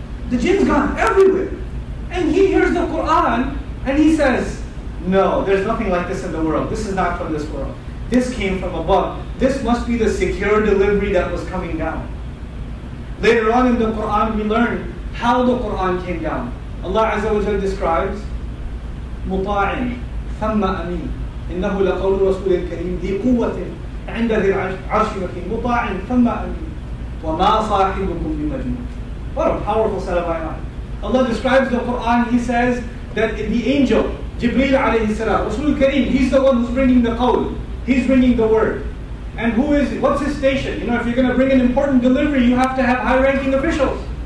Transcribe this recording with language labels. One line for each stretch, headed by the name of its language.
English: The jinn's gone everywhere. And he hears the Qur'an, and he says, no, there's nothing like this in the world. This is not from this world. This came from above. This must be the secure delivery that was coming down. Later on in the Qur'an, we learn how the Qur'an came down. Allah Azza wa Jalla describes,
Arabic: مُطَاعٍ ثَمَّ أَمِينٍ إِنَّهُ لَقَوْلُ رَسُولِ الْكَرِيمِ ذِي قُوَّةٍ عِنْدَ ذِي الْعَرْشِ مَكِينٍ مُطَاعٍ ثَمَّ أَمِينٍ وَمَا صَاحِبُكُمْ بِمَجْمُونٍ.
English: What a powerful set of ayat. Allah describes the Qur'an, He says that the angel, Jibreel alayhi salam, Rasul Kareem, he's the one who's bringing the qawl, he's bringing the word. And who is, what's his station? You know, if you're going to bring an important delivery, you have to have high-ranking officials.